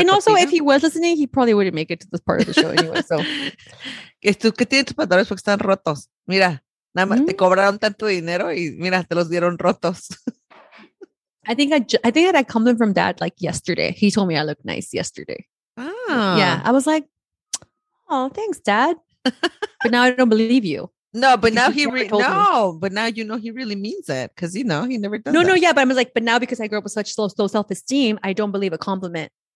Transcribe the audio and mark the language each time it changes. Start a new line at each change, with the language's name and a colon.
English: and also, cortina? If he was listening, he probably wouldn't make it to this part of the show anyway. So.
Spanish: ¿Qué tiene tus pantalones? Porque están rotos. Mira, nada más te cobraron tanto dinero y mira, te los dieron rotos.
English: I think that I come in from dad like yesterday. He told me I look nice yesterday. Oh. Yeah. I was like, oh, thanks, dad. But now I don't believe you. No, but now but now you know he really means it because, you know, he never does. No, yeah. But I was like, but now because I grew up with such low self-esteem, I don't believe a compliment.